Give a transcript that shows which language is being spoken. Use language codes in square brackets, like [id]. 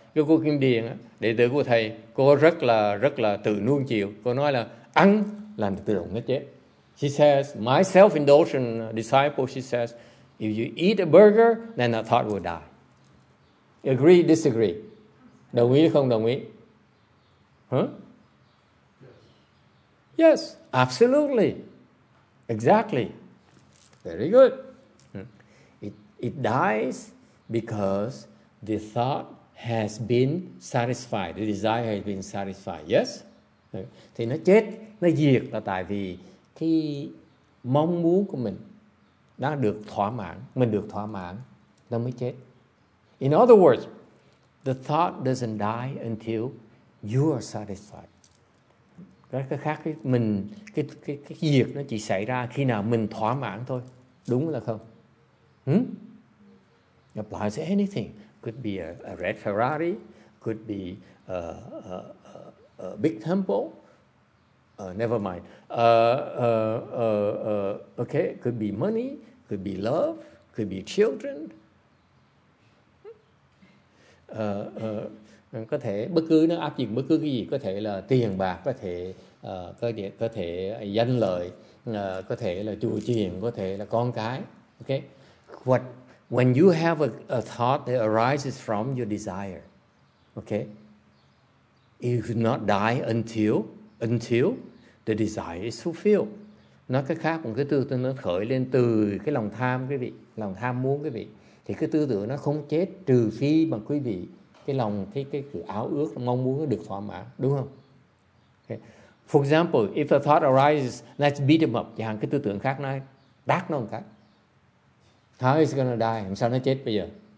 [vi] Cái cô Kim Điền, đệ tử của thầy, cô rất là tự nuông chiều. Cô nói là ăn làm tự động nó chết. [en] She says, my self-indulgent disciple, she says, if you eat a burger, then the thought will die. Agree, disagree? [vi] Đồng ý không đồng ý? [en] Yes, absolutely. Exactly. Very good. It dies because the thought has been satisfied. The desire has been satisfied. Yes? [vi] Thì nó chết, nó diệt là tại vì cái mong muốn của mình đã được thỏa mãn. Mình được thỏa mãn, nó mới chết. [en] In other words, the thought doesn't die until you are satisfied. [vi] Cái khác, mình, cái diệt nó chỉ xảy ra khi nào mình thỏa mãn thôi. Đúng là không? [en] Applies to anything. Could be a red Ferrari, could be a big temple, never mind. Okay, could be money, could be love, could be children. [vi] Có thể bất cứ nó áp dụng bất cứ cái gì, có thể là tiền bạc, có thể danh lợi, có thể là chùa chiền, có thể là con cái. [en] Okay, what when you have a thought that arises from your desire, okay, you should not die until the desire is fulfilled. [vi] Nói cái khác, một cái tư tưởng nó khởi lên từ cái lòng tham, quý vị, lòng tham muốn, quý vị, thì cái tư tưởng nó không chết trừ phi mà quý vị cái lòng, cái ao ước mong muốn nó được thỏa mãn, đúng không? Okay. [en] For example, if a thought arises, let's beat him up. [vi] Chẳng hạn cái tư tưởng khác nó đát nó một cái, [en] how is it gonna die? [vi] Làm sao nó chết bây giờ?